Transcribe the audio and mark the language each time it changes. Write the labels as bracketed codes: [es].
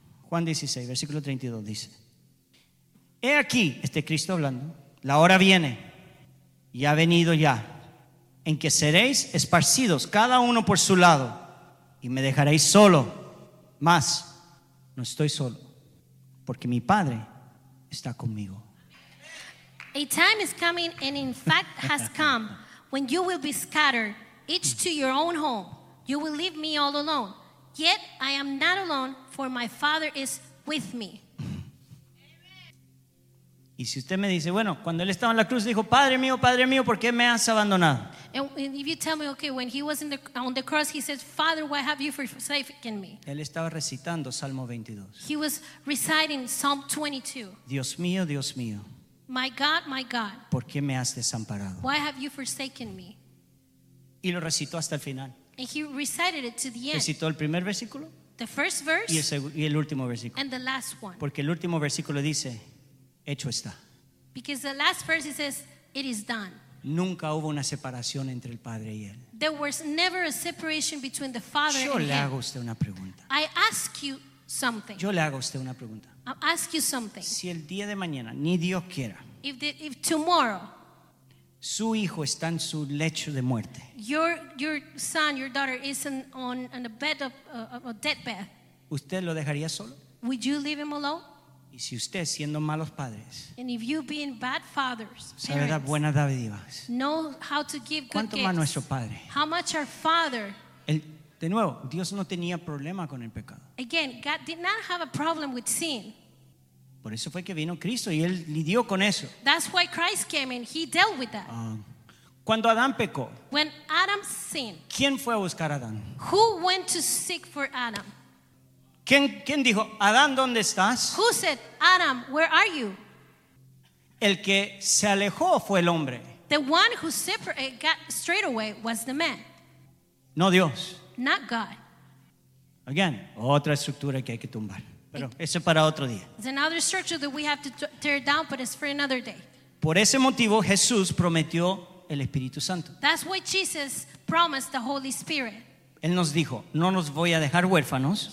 [es] Juan 16, versículo 32 dice, he aquí, este Cristo hablando, la hora viene, y ha venido ya, en que seréis esparcidos, cada uno por su lado, y me dejaréis solo, mas no estoy solo, porque mi Padre está conmigo. [en] A time is coming, and in fact has come, when you will be scattered, each to your own home. You will leave me all alone. Yet I am not alone, for my Father is with me. [es] Y si usted me dice, bueno, cuando él estaba en la cruz, dijo, Padre mío, ¿por qué me has abandonado? [en] And if you tell me, okay, when he was in the, on the cross, he says, Father, why have you forsaken me? [es] Él estaba recitando Salmo 22. [en] He was reciting Psalm 22. [es] Dios mío, Dios mío. [en] My God, [es] ¿por qué me has desamparado? [en] Why have you forsaken me? [es] Y lo recitó hasta el final. [en] And he recited it to the end. [es] Recitó el primer versículo. [en] The first verse. [es] Y el último versículo. [en] And the last one. [es] Porque el último versículo dice, hecho está. [en] Because the last verse it says, it is done. [es] Nunca hubo una separación entre el Padre y él. [en] There was never a separation between the Father and [es] Yo le hago usted una pregunta. [en] I ask you something. [es] Yo le hago usted una pregunta. [en] I'll ask you something. [es] Si el día de mañana, ni Dios quiera, [en] if tomorrow, [es] su hijo está en su lecho de muerte, [en] your son, your daughter is on a bed of a deathbed, [es] ¿usted lo dejaría solo? [en] Would you leave him alone? [es] Y si usted, siendo malos padres, [en] and if you being bad fathers, [es] sabe dar buenas dádivas, [en] know how to give good gifts, [es] ¿cuánto más nuestro padre? [en] How much our father? [es] De nuevo, Dios no tenía problema con el pecado. [en] Again, God did not have a problem with sin. [es] Por eso fue que vino Cristo y él lidió con eso. [en] That's why Christ came and he dealt with that. [es] Cuando Adán pecó, [en] when Adam sinned, [es] ¿quién fue a buscar a Adán? [en] Who went to seek for Adam? [es] ¿Quién dijo, Adán, ¿dónde estás? [en] Who said, Adam, where are you? [es] El que se alejó fue el hombre. [en] The one who separated, got straight away, was the man. [es] No Dios. [en] Not God. Again, [es] otra estructura que hay que tumbar. Pero eso es para otro día. [en] It's another structure that we have to tear down, but it's for another day. [es] Por ese motivo, Jesús prometió el Espíritu Santo. [en] That's why Jesus promised the Holy Spirit. [es] Él nos dijo, no los voy a dejar huérfanos.